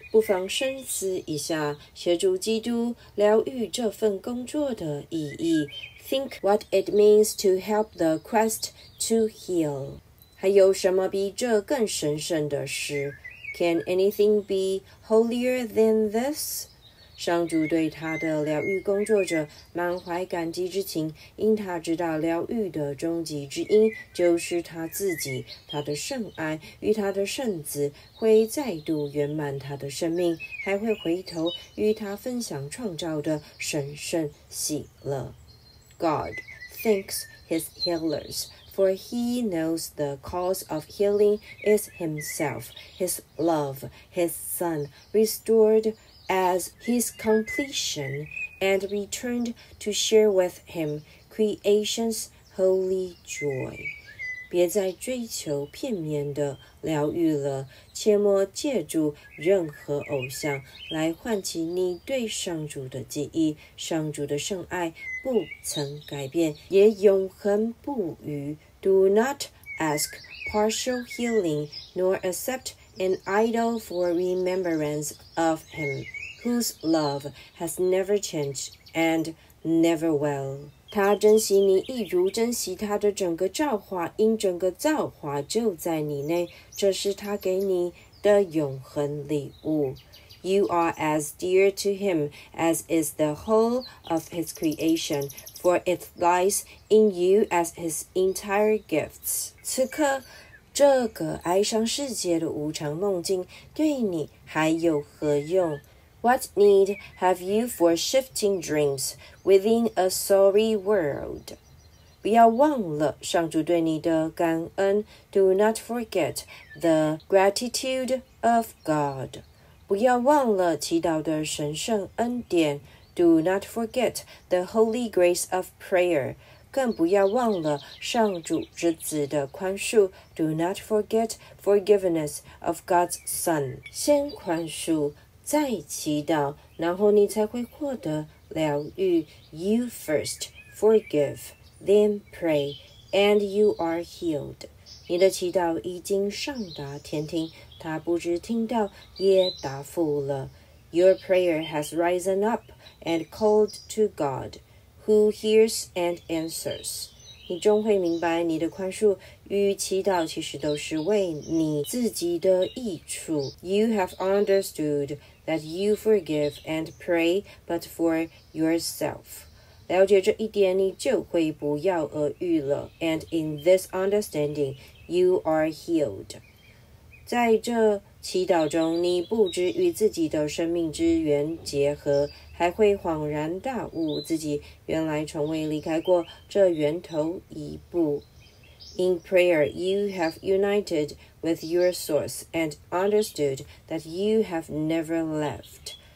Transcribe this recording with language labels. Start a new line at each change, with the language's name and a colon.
Chinese: 不妨深思一下协助基督疗愈这份工作的意义。
English: Think what it means to help the quest to heal.
Chinese: 还有什么比这更神圣的事？
English: Can anything be holier than this?
Chinese: 上主对他的疗愈工作者满怀感激之情，因他知道疗愈的终极之因就是他自己，他的圣爱与他的圣子会再度圆满他的生命，还会回头与他分享创造的神圣喜乐。
English: God thanks his healers. For he knows the cause of healing is himself, his love, his son, restored as his completion and returned to share with him creation's holy joy.
Chinese: 别再追求片面的疗愈了，切莫借助任何偶像来唤起你对上主的记忆，上主的圣爱不曾改变，也永恒不渝。
English: Do not ask partial healing, nor accept an idol for remembrance of him, whose love has never changed and never will.
Chinese: 他珍惜你，一如珍惜他的整个造化，因整个造化就在你内，这是他给你的永恒礼物。
English: You are as dear to him as is the whole of his creation, for it lies in you as his entire gifts.
Chinese: 此刻，这个哀伤世界的无常梦境对你还有何用？
English: What need have you for shifting dreams within a sorry world?
Chinese: 不要忘了上主对你的感恩。
English: Do not forget the gratitude of God.
Chinese: 不要忘了祈祷的神圣恩典。
English: Do not forget the holy grace of prayer.
Chinese: 更不要忘了上主之子的宽恕。
English: Do not forget forgiveness of God's Son.
Chinese: 先宽恕，再祈祷，然后你才会获得疗愈。
English: You first forgive. Then pray, and you are healed.
Chinese: 你的祈祷已经上达天庭，他不只听到，也答复了。
English: Your prayer has risen up and called to God, who hears and answers.
Chinese: 你终会明白，你的宽恕与祈祷其实都是为你自己的益处。
English: You have understood that you forgive and pray, but for yourself.
Chinese: 了解这一点，你就会不药而愈了。
English: And in this understanding, you are healed.
Chinese: 在这祈祷中，你不止与自己的生命之源结合，还会恍然大悟自己原来从未离开过这源头一步。
English: In prayer, you have united with your source and understood that you have never left.